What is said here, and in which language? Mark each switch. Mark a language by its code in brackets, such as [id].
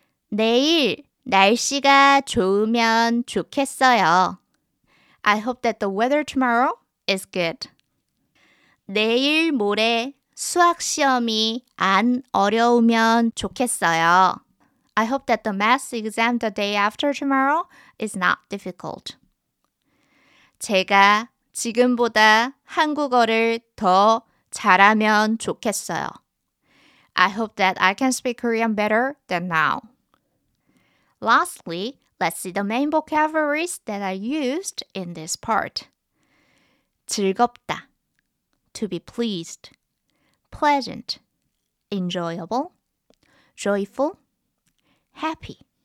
[ko] 내일 날씨가 좋으면 좋겠어요. [en] I hope that the weather tomorrow is good. [ko] 내일 모레 수학 시험이 안 어려우면 좋겠어요. [en] I hope that the math exam the day after tomorrow is not difficult. [ko] 제가 지금보다 한국어를 더 잘하면 좋겠어요. [en] I hope that I can speak Korean better than now. Lastly, let's see the main vocabularies that are used in this part. 즐겁다, to be pleased. Pleasant, enjoyable. Joyful, happy.